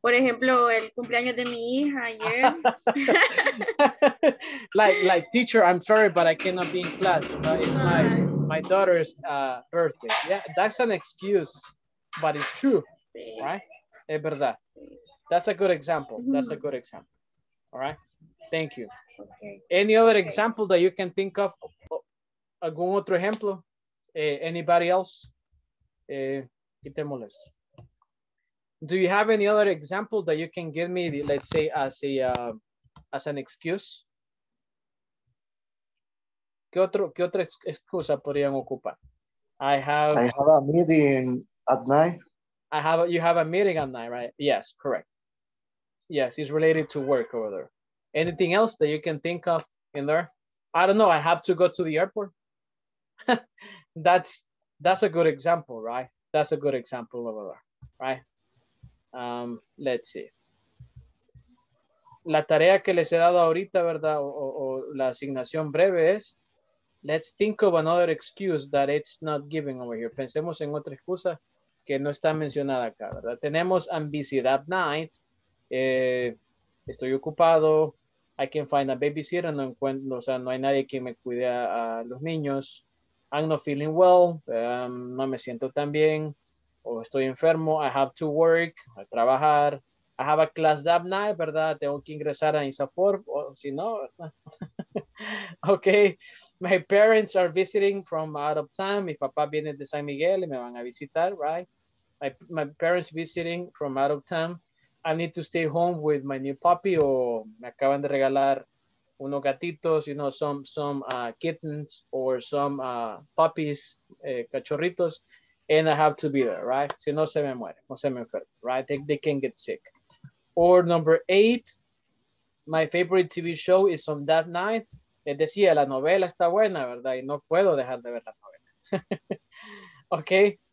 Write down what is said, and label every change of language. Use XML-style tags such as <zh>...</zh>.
<es>Por ejemplo, el cumpleaños de mi hija ayer.</es> <en>like teacher, I'm sorry, but I cannot be in class. It's my daughter's birthday. Yeah, that's an excuse, but it's true, sí. Right?</en> <es>Es verdad.</es> <en>That's a good example. Mm-hmm. That's a good example. All right? Thank you. Okay. Any other example that you can think of?</en> <es>¿Algún otro ejemplo?</es> <en>Anybody else? Quitémosles. Do you have any other example that you can give me, let's say, as a as an excuse?</en> <es>¿Qué otra excusa podrían ocupar?</es> <en>I have a meeting at night. You have a meeting at night, right? Yes, correct. Yes, it's related to work over there. Anything else that you can think of in there? I don't know. I have to go to the airport. That's a good example, right? That's a good example over there, right? Let's see.</en> <es>La tarea que les he dado ahorita, ¿verdad? O la asignación breve es,</es> <en>let's think of another excuse that it's not given over here.</en> <es>Pensemos en otra excusa que no está mencionada acá, ¿verdad?</es> <en>Tenemos, I'm busy that night.</en> <es>Estoy ocupado.</es> <en>I can find a babysitter.</en> <es>No encuentro, o sea, no hay nadie que me cuide a los niños.</es> <en>I'm not feeling well.</en> <es>No me siento tan bien. O estoy enfermo,</es> <en>I have to work,</en> <es>a trabajar.</es> <en>I have a class that night, ¿verdad?</en> <es>Tengo que ingresar a ISAFOR, o si no, ¿verdad?</es> <en>Okay, my parents are visiting from out of town.</en> <es>Mi papá viene de San Miguel y me van a visitar, right?</es> <en>My parents visiting from out of town. I need to stay home with my new puppy,</en> <es>o me acaban de regalar unos gatitos,</es> <en>you know, some kittens or some puppies, cachorritos. And I have to be there, right?</en> <es>Si no, se me muere. No se me enferma,</es> <en>right? They can get sick. Or number 8, my favorite TV show is on that night.</en> <es>Les decía, la novela está buena, ¿verdad? Y no puedo dejar de ver la novela. Okay.</es>